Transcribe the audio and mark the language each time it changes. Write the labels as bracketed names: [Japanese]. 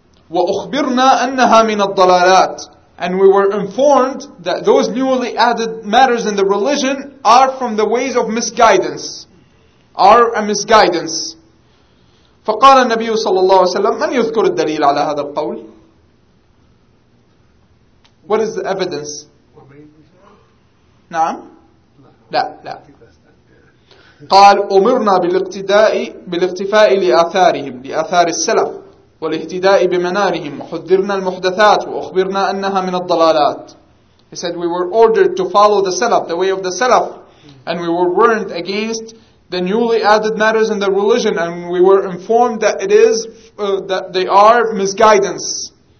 [Arabic] وَأُخْبِرْنَا أَنَّهَا مِنَ الضَّلَالَاتِ, [English] and we were informed that those newly added matters in the religion are from the ways of misguidance, are a misguidance. [Arabic] فقال النبي صلى الله عليه وسلم, من يذكر الدليل على هذا القول؟ [English] What is the evidence? [Arabic] نعم؟ لا لا. قال أمرنا بالاقتفاء لآثارهم, لآثار السلف, والاهتداء بمنارهم, وحذرنا المحدثات, وأخبرنا أنها من الضلالات. [English] He said, we were ordered to follow the Salaf, the way of the Salaf, and we were warned against the newly added matters in the religion, and we were informed that it is that they are misguidance.